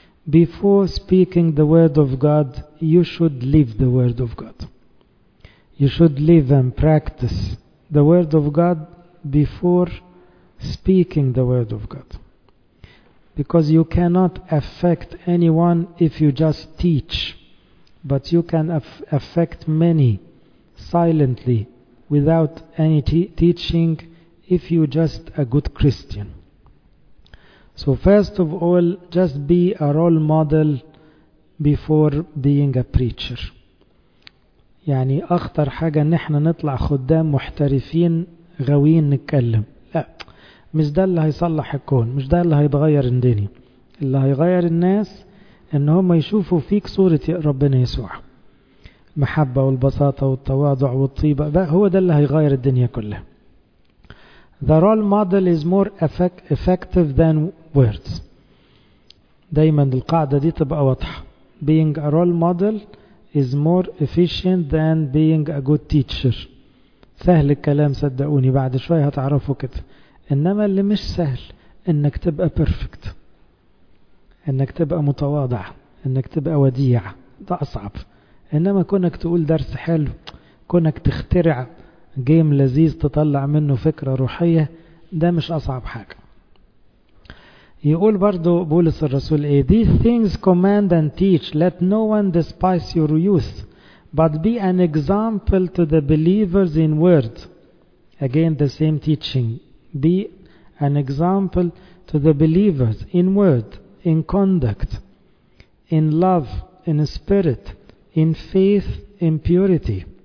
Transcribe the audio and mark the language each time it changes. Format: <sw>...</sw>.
<en>Before speaking the word of God, you should live the word of God. You should live and practice the word of God before speaking the word of God. Because you cannot affect anyone if you just teach, but you can affect many silently without any teaching if you just a good Christian. So first of all, just be a role model before being a preacher.</en> <ar>يعني أخطر حاجة إن إحنا نطلع خدام محترفين غاويين نتكلم. لا، مش ده اللي هيصلح الكون، مش ده اللي هيتغير الدنيا. اللي هيغير الناس إن هم يشوفوا فيك صورة ربنا يسوع، محبة والبساطة والتواضع والطيبة. ده هو ده اللي هيغير الدنيا كلها.</ar> <en>The role model is more effective than words.</en> <ar>دايما القاعدة دي تبقى واضحة.</ar> <en>Being a role model is more efficient than being a good teacher.</en> <ar>سهل الكلام صدقوني، بعد شوية هتعرفوا كده. إنما اللي مش سهل إنك تبقى perfect، إنك تبقى متواضع، إنك تبقى وديع، ده أصعب. إنما كونك تقول درس حلو، كونك تخترع جيم لذيذ تطلع منه فكرة روحية، ده مش أصعب حاجة. يقول برضو بولس الرسول إيه؟</ar> <en>These things command and teach. Let no one despise your youth, but be an example to the believers in word. Again the same teaching. Be an example to the believers in word, in conduct, in love, in spirit, in faith, in purity.</en>